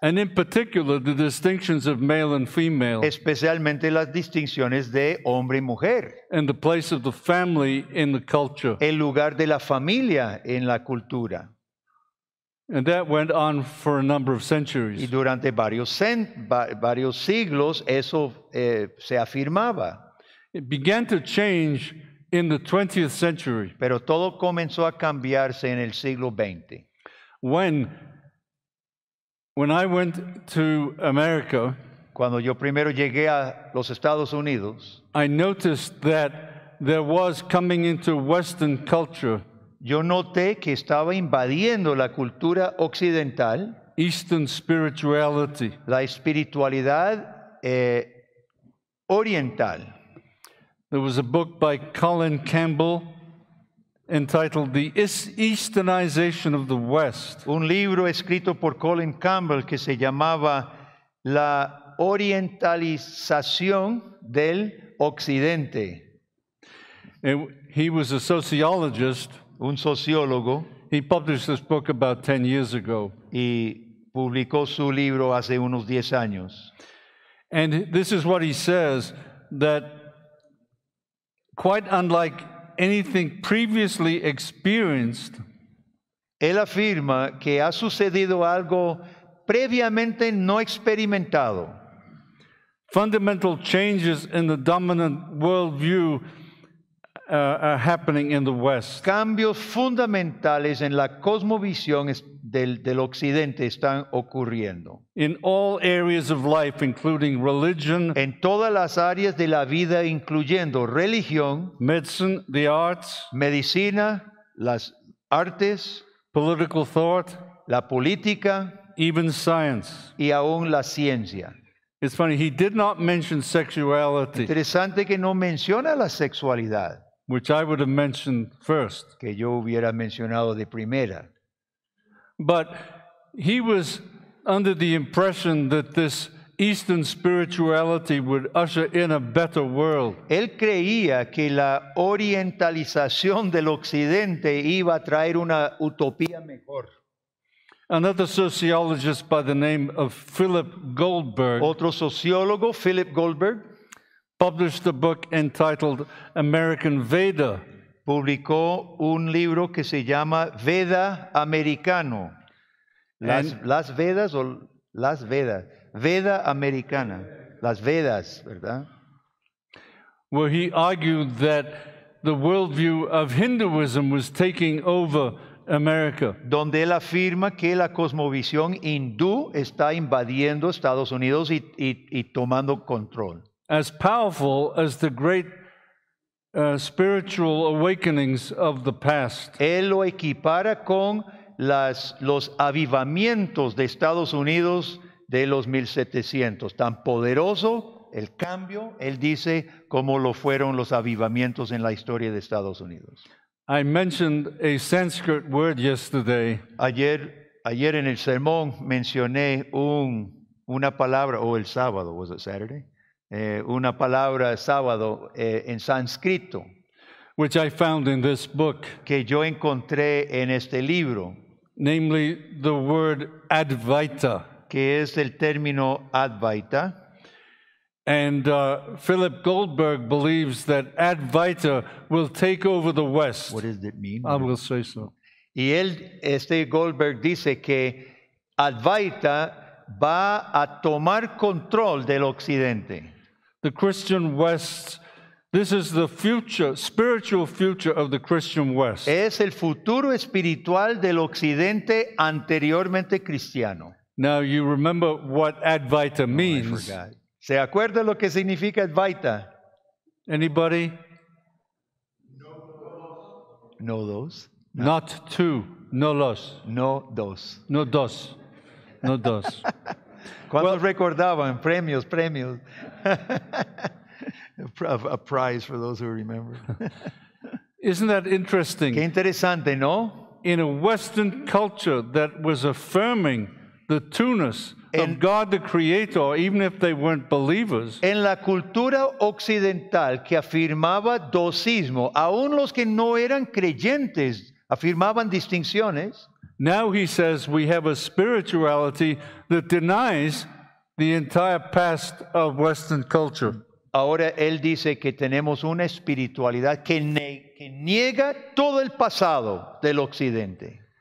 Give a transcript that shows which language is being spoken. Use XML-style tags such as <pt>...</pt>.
<en>And in particular, the distinctions of male and female.</en> <es>Especialmente las distinciones de hombre y mujer.</es> <en>And the place of the family in the culture.</en> <es>El lugar de la familia en la cultura.</es> <en>And that went on for a number of centuries.</en> <es>Y durante varios siglos eso se afirmaba.</es> <en>It began to change in the 20th century.</en> <es>Pero todo comenzó a cambiarse en el siglo XX.</es> <en>When I went to America,</en> <es>cuando yo primero llegué a los Estados Unidos,</es> <en>I noticed that there was coming into Western culture.</en> <es>Yo noté que estaba invadiendo la cultura occidental.</es> <en>Eastern spirituality.</en> <es>La espiritualidad oriental.</es> <en>There was a book by Colin Campbell entitled The Easternization of the West.</en> <es>Un libro escrito por Colin Campbell que se llamaba La Orientalización del Occidente.</es> <en>He was a sociologist.</en> <es>Un sociólogo.</es> <en>He published this book about 10 years ago.</en> <es>Y publicó su libro hace unos 10 años.</es> <en>And this is what he says, that quite unlike anything previously experienced,</en> <es>él afirma que ha sucedido algo previamente no experimentado.</es> <en>Fundamental changes in the dominant worldview are happening in the West.</en> <es>Cambios fundamentales en la cosmovisión del occidente están ocurriendo.</es> <en>In all areas of life, including religion,</en> <es>en todas las áreas de la vida, incluyendo religión,</es> <en>medicine, the arts,</en> <es>medicina, las artes,</es> <en>political thought,</en> <es>la política,</es> <en>even science,</en> <es>y aún la ciencia.</es> <en>It's funny, he did not mention sexuality.</en> <es>Interesante que no menciona la sexualidad,</es> <en>which I would have mentioned first.</en> <es>Que yo hubiera mencionado de primera.</es> <en>But he was under the impression that this Eastern spirituality would usher in a better world.</en> <es>Él creía que la orientalización del occidente iba a traer una utopía mejor.</es> <en>Another sociologist by the name of Philip Goldberg.</en> <es>Otro sociólogo, Philip Goldberg,</es> <en>published a book entitled American Veda.</en> <es>publicó un libro que se llama Veda Americano. Veda Americana. Las Vedas, ¿verdad?</es> <en>Where he argued that the worldview of Hinduism was taking over America.</en> <es>Donde él afirma que la cosmovisión hindú está invadiendo Estados Unidos y tomando control.</es> <en>As powerful as the great spiritual awakenings of the past.</en> <es>Él lo equipara con los avivamientos de Estados Unidos de los 1700. Tan poderoso el cambio, él dice, como lo fueron los avivamientos en la historia de Estados Unidos.</es> <en>I mentioned a Sanskrit word yesterday.</en> <es>Ayer en el sermón mencioné una palabra, el sábado,</es> <en>was it Saturday?</en> <es>Una palabra sábado en sánscrito.</es> <en>Which I found in this book.</en> <es>Que yo encontré en este libro.</es> <en>Namely, the word Advaita.</en> <es>Que es el término Advaita.</es> <en>And Philip Goldberg believes that Advaita will take over the West. What does it mean? I will say so.</en> <es>Y él, Goldberg, dice que Advaita va a tomar control del Occidente.</es> <en>The Christian West, this is the future, spiritual future of the Christian West.</en> <es>Es el futuro espiritual del Occidente anteriormente cristiano.</es> <en>Now you remember what Advaita means.</en> <es>¿Se acuerda lo que significa Advaita?</es> <en>Anybody?</en> <es>No dos.</es> <en>Not two.</en> <es>No los. No dos. No dos. No dos. ¿Cuántos recordaban? Premios.</es> <en>A prize for those who remember. Isn't that interesting?</en> <es>Qué interesante, ¿no?</es> <en>In a Western culture that was affirming the two-ness of God the Creator, even if they weren't believers.</en> <es>En la cultura occidental que afirmaba dosismo, aún los que no eran creyentes afirmaban distinciones.</es> <en>Now he says we have a spirituality that denies the entire past of Western culture.</en> <es>Ahora él dice que tenemos una espiritualidad que niega todo el pasado del Occidente.</es>